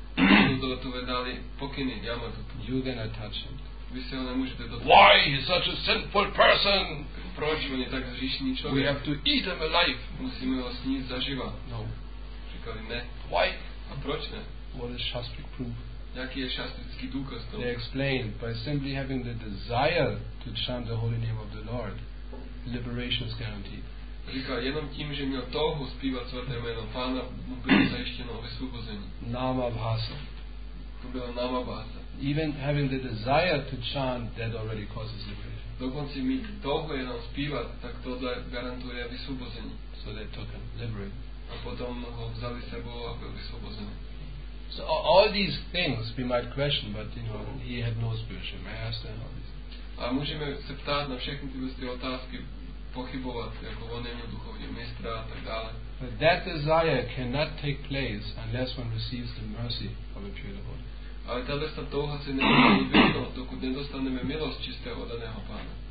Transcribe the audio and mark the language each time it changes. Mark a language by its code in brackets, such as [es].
[cs] Vishnudutové dali pokyny Yamadutu. [en] You cannot touch him. [cs] Vy se ho nemůžete dotknout. [en] Why he's such a sinful person? [cs] Proč on je tak hříšný člověk? [en] We have to eat him alive. [cs] Musíme ho sníst zaživa. [en] No. [cs] Říkali ne. [en] Why? [cs] A proč ne? [en] What is Shastric proof? [cs] Jaký je šastrický důkaz toho? [en] They explained by simply having the desire to chant the holy name of the Lord, liberation is guaranteed. [cs] Říkal, jenom tím, že měl touhu zpívat svaté jméno Pána, mu bylo zajištěno vysvobození. [en] Nama bhasa. [cs] To bylo nama bhasa. [en] Even having the desire to chant, that already causes liberation. [cs] Dokonce mít touhu jenom zpívat, tak to garantuje vysvobození. [en] So they took him, liberated. [cs] A potom ho vzali sebou a byl vysvobozený. [en] So all these things we might question, but you know, he had no spiritual master and all this. [cs] A můžeme se ptát na všechny ty vlastní otázky, pochybovat, jako on neměl duchovního mistra a tak dále. [en] But that desire cannot take place unless one receives the mercy of a pure devotee. [cs] Ale tato ta touha se nemůže vyvinout, dokud nedostaneme milost čistého daného pána.